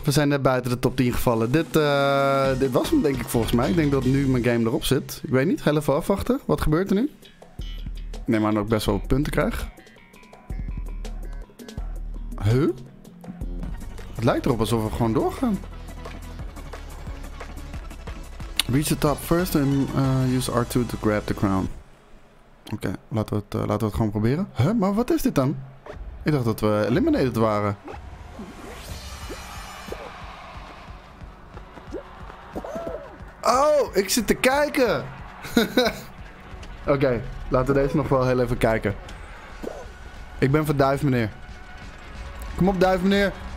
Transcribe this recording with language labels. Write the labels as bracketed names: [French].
[Dutch] We zijn net buiten de top 10 gevallen. Dit was hem, denk ik, volgens mij. Ik denk dat nu mijn game erop zit. Ik weet niet, even afwachten. Wat gebeurt er nu? Ik neem aan dat ik best wel punten krijg. Huh? Het lijkt erop alsof we gewoon doorgaan. [English] Reach the top first and use R2 to grab the crown. [Dutch] Oké, laten we het gewoon proberen. Huh? Maar wat is dit dan? Ik dacht dat we eliminated waren. Oh, ik zit te kijken. Oké, laten we deze nog wel heel even kijken. Ik ben van duif, meneer. Kom op, duif, meneer.